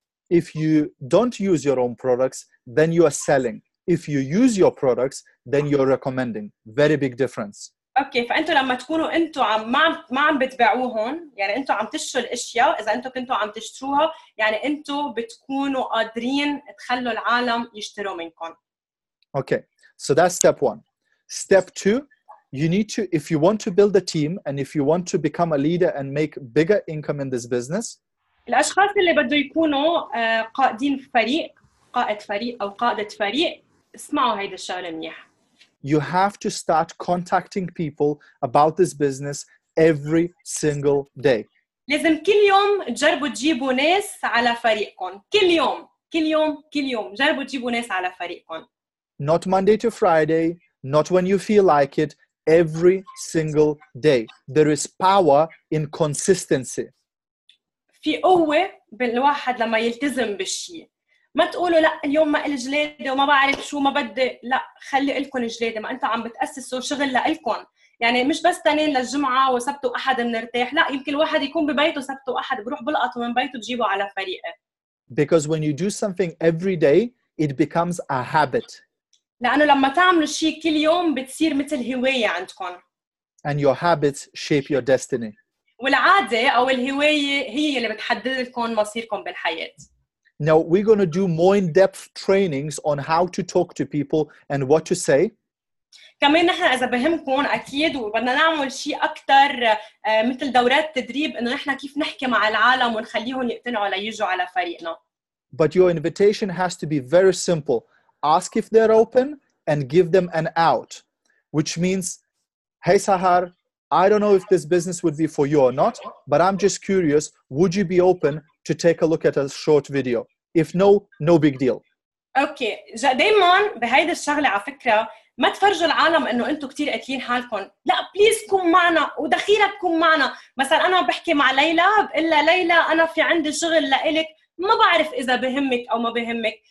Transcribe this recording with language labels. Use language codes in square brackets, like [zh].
[en] If you don't use your own products, then you are selling. If you use your products, then you're recommending. Very big difference. [ar] Okay, فأنتوا لما تكونوا أنتوا ما عم بتبيعوهن، يعني أنتوا عم تشتروا الأشياء، إذا أنتوا كنتوا عم تشتروها، يعني أنتوا بتكونوا قادرين تخلوا العالم يشتروا منكم. [en] Okay, so that's step one. Step two, you need to, if you want to build a team and if you want to become a leader and make bigger income in this business, [ar] الأشخاص اللي بدوا يكونوا قائدين فريق، قائد فريق أو قائدة فريق، اسمعوا هيدا الشغلة منيح. [en] You have to start contacting people about this business every single day. [ar] لازم كل يوم تجربوا تجيبوا ناس على فريقكم، كل يوم، كل يوم، كل يوم، جربوا تجيبوا ناس على فريقكم. [en] Not Monday to Friday, not when you feel like it, every single day. There is power in consistency. [ar] في قوة بالواحد لما يلتزم بالشيء. ما تقولوا لا اليوم ما إلي جلادة وما بعرف شو ما بدي، لا خلي إلكم جلادة، ما أنتوا عم بتأسسوا شغل لإلكم، يعني مش بس تنين للجمعة وسبت وأحد بنرتاح، لا يمكن الواحد يكون ببيته سبت وأحد بروح بلقطه من بيته بجيبه على فريقه. [en] Because when you do something every day, it becomes a habit. [ar] لأنه لما تعملوا شيء كل يوم بتصير مثل هواية عندكم. [en] And your habits shape your destiny. [ar] والعادة أو الهواية هي اللي بتحدد لكم مصيركم بالحياة. [en] Now we're going to do more in-depth trainings on how to talk to people and what to say. [ar] كمان نحن إذا بهمكم أكيد وبدنا نعمل شيء أكتر مثل دورات تدريب إنه نحن كيف نحكي مع العالم ونخليهم يقتنعوا ليجوا على فريقنا. [en] But your invitation has to be very simple. Ask if they're open and give them an out, which means, hey Sahar, I don't know if this business would be for you or not, but I'm just curious, would you be open to take a look at a short video? If no, no big deal. Okay. [ar] دايماً بهيدا الشغلة على فكرة ما تفرجوا العالم إنه أنتوا كتير قتلين حالكم. لا بليز كن معنا ودخيلك كن معنا. مثلا أنا بحكي مع ليلى بقلها ليلى أنا في عندي شغل لإلك ما بعرف إذا بهمك أو ما بهمك.